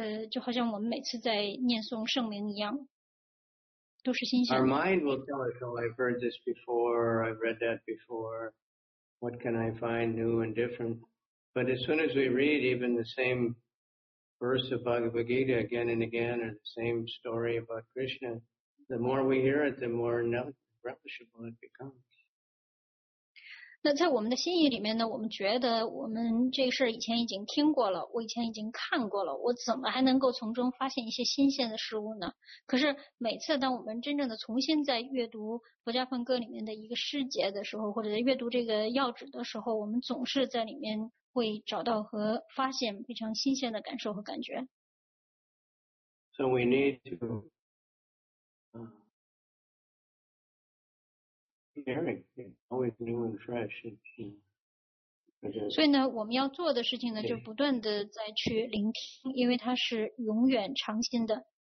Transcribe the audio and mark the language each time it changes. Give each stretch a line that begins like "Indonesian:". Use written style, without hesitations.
Chinese: 就好像我们每次在念诵圣名一样，都是新鲜的。
English: Our mind will tell us, "Oh, I've heard this before. I've read that before. What can I find new and different?" But as soon as we read even the same verse of Bhagavad Gita again and again, or the same story about Krishna, the more we hear it, the more relishable it becomes.
Chinese: 那在我们的心意里面呢，我们觉得我们这事儿以前已经听过了，我以前已经看过了，我怎么还能够从中发现一些新鲜的事物呢？可是每次当我们真正的重新在阅读《佛家梵歌》里面的一个诗节的时候，或者在阅读这个要旨的时候，我们总是在里面会找到和发现非常新鲜的感受和感觉。
English: So we need to caring, always new and fresh.
Chinese: 所以呢，我们要做的事情呢，就不断的再去聆听，因为它是永远常新的。